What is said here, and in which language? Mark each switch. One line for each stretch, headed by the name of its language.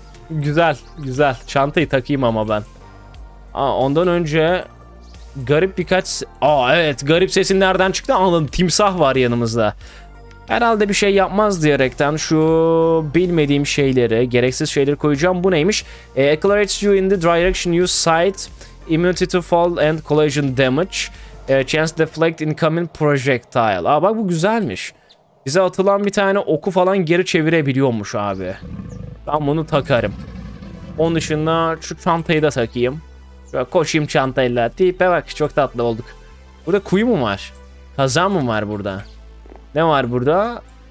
Turkish: Güzel, güzel. Çantayı takayım ama ben. Ondan önce garip birkaç... evet, garip sesin nereden çıktı? Anladım. Timsah var yanımızda. Herhalde bir şey yapmaz diyerekten şu bilmediğim şeyleri, gereksiz şeyleri koyacağım. Bu neymiş?
English: Accelerates you in the direction you sight. Immunity to fall and collision damage. Chance deflect incoming projectile.
Turkish: Bak bu güzelmiş. Bize atılan bir tane oku falan geri çevirebiliyormuş abi. Ben bunu takarım. Onun dışında şu çantayı da takayım. Şöyle koşayım çantayla. Tipe bak, çok tatlı olduk. Burada kuyu mu var? Kazan mı var burada? Ne var burada?